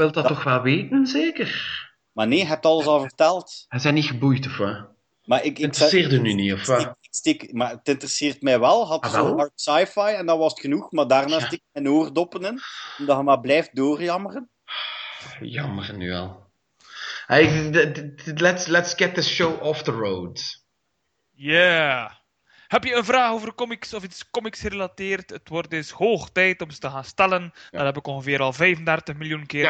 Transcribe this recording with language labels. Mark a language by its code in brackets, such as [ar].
[nl] wilt dat toch wel weten, zeker? Maar nee, je hebt alles al verteld. Hij zijn niet geboeid, of wat? Maar ik interesseerde nu niet, of wat? Maar het interesseert mij wel. Had zo hard sci-fi en dat was het genoeg. Maar daarna stik ik mijn oordoppen in. Omdat je maar blijft doorjammeren. Jammeren nu al. [en] Hey, let's get the show off the road. Yeah. [nl] Heb je een vraag over comics of iets comics gerelateerd? Het wordt eens hoog tijd om ze te gaan stellen. Ja. Dat heb ik ongeveer al 35 miljoen keer